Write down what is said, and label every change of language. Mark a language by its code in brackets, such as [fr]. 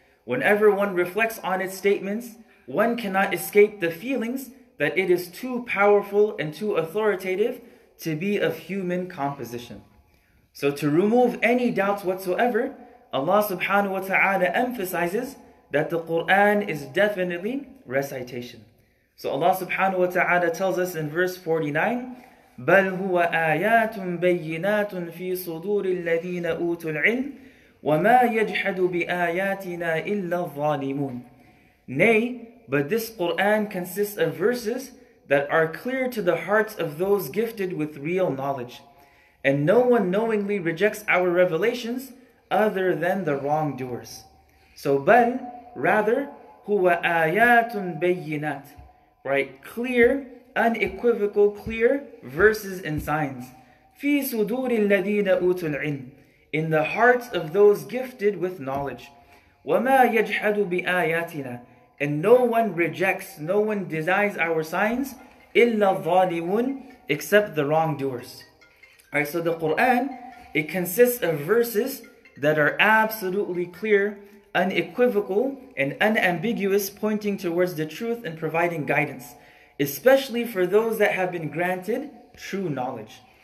[en] Whenever one reflects on its statements, one cannot escape the feelings that it is too powerful and too authoritative to be of human composition. So to remove any doubts whatsoever, Allah subhanahu wa ta'ala emphasizes that the Qur'an is definitely recitation. So Allah subhanahu wa ta'ala tells us in verse 49, [ar] بَلْ هُوَ آيَاتٌ بَيِّنَاتٌ فِي صُدُورِ الَّذِينَ أُوتُوا الْعِلْمِ وَمَا يَجْحَدُ بِآيَاتِنَا إِلَّا الظَّالِمُونَ. [en] Nay, but this Qur'an consists of verses that are clear to the hearts of those gifted with real knowledge. And no one knowingly rejects our revelations other than the wrongdoers. [ar] So بَلْ, rather, هُوَ آيَاتٌ بَيِّنَاتٌ. [en] Right, clear, unequivocal, clear verses and signs. [ar] في صدور الذين أوتوا العلم. [en] In the hearts of those gifted with knowledge. [ar] وما يجحد بآياتنا. [en] And no one rejects, no one denies our signs. [ar] إلا الظالمون. [en] Except the wrongdoers. Alright, so the Quran, it consists of verses that are absolutely clear, unequivocal and unambiguous, pointing towards the truth and providing guidance, especially for those that have been granted true knowledge.